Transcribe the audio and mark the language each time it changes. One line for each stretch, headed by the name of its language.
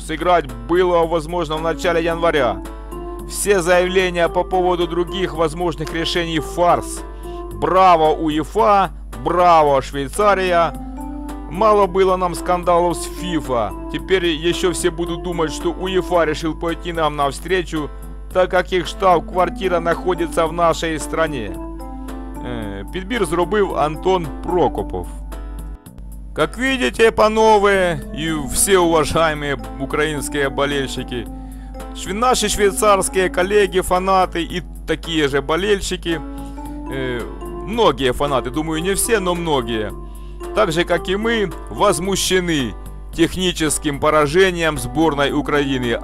Russian: Сыграть было возможно в начале января. Все заявления по поводу других возможных решений – фарс. Браво УЕФА, браво Швейцария. Мало было нам скандалов с FIFA. Теперь еще все будут думать, что УЕФА решил пойти нам навстречу, так как их штаб-квартира находится в нашей стране.
Ukrainian: Підбір зробив Антон Прокопов.
Russian: Как видите, панове и все уважаемые украинские болельщики, наши швейцарские коллеги, фанаты и такие же болельщики, многие фанаты, думаю, не все, но многие, так же, как и мы, возмущены техническим поражением сборной Украины.